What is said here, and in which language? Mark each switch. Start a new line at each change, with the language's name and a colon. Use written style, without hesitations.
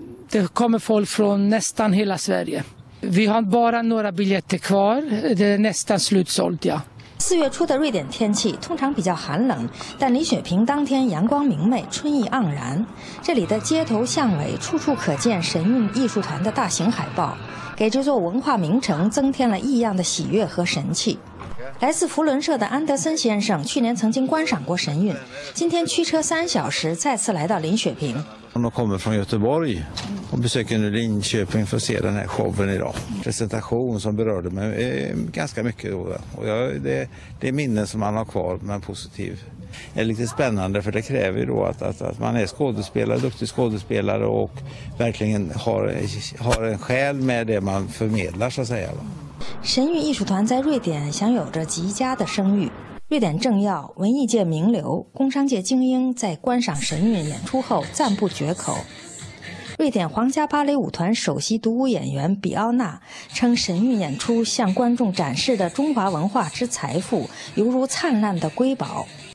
Swedish: det kommer folk från nästan hela Sverige. Vi har bara några biljetter kvar. Det är nästan slutsålt, ja.
Chinese: 四月初的瑞典天气通常比较寒冷，但林雪平当天阳光明媚，春意盎然。这里的街头巷尾处处可见神韵艺术团的大型海报，给这座文化名城增添了异样的喜悦和神气。来自福伦社的安德森先生去年曾经观赏过神韵，今天驱车三小时再次来到林雪平。
Swedish: Han kommer från Göteborg och besöker Linköping för att se den här showen idag. Presentation som berörde mig ganska mycket då. Och jag, det är minnen som man har kvar, men positiv. Det är lite spännande, för det kräver ju då att man är skådespelare, duktig skådespelare, och verkligen har en själ med det man förmedlar, så att säga.
Chinese: 神韵艺术团在瑞典享有着极佳的声誉。瑞典政要、文艺界名流、工商界精英在观赏神韵演出后赞不绝口。瑞典皇家芭蕾舞团首席独舞演员比奥娜称，神韵演出向观众展示的中华文化之财富犹如灿烂的瑰宝。